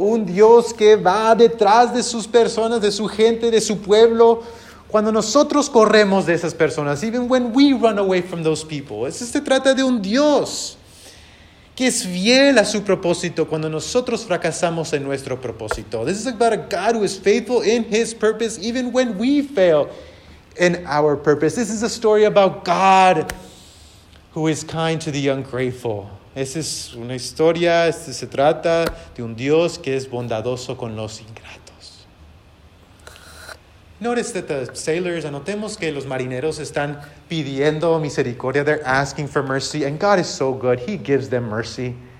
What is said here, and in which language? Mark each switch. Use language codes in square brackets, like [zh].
[es] Un Dios que va detrás de sus personas, de su gente, de su pueblo. Cuando nosotros corremos de esas personas, [en] even when we run away from those people. [es] Eso se trata de un Dios que es fiel a su propósito cuando nosotros fracasamos en nuestro propósito. [en] This is about a God who is faithful in his purpose even when we fail in our purpose. This is a story about God who is kind to the ungrateful. [es] Esa es una historia, se trata de un Dios que es bondadoso con los ingratos. [en] Notice that the sailors, [es] anotemos que los marineros están pidiendo misericordia, [en] they're asking for mercy, and God is so good, he gives them mercy.